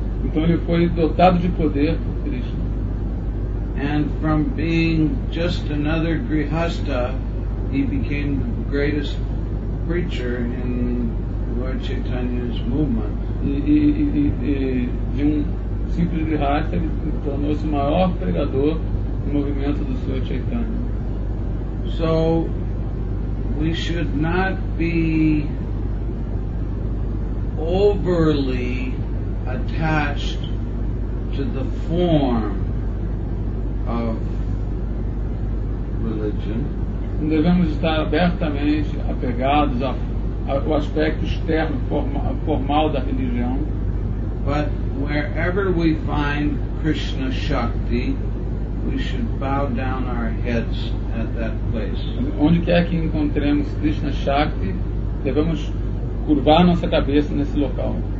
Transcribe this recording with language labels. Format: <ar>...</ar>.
<pt>Então ele foi dotado de poder por Krishna.</pt> <en>And from being just another grihastha, he became the greatest preacher in Lord Chaitanya's movement.</en> <pt>De um simples grihastha, ele tornou-se o maior pregador do movimento do Sr. Chaitanya.</pt> <en>So we should not be overly attached to the form of religion.</en> <pt>Não devemos estar abertamente apegados ao aspecto externo, formal da religião.</pt> <en>But wherever we find Krishna Shakti, we should bow down our heads at that place.</en> <pt>Onde quer que encontremos Krishna Shakti, devemos curvar nossa cabeça nesse local.</pt>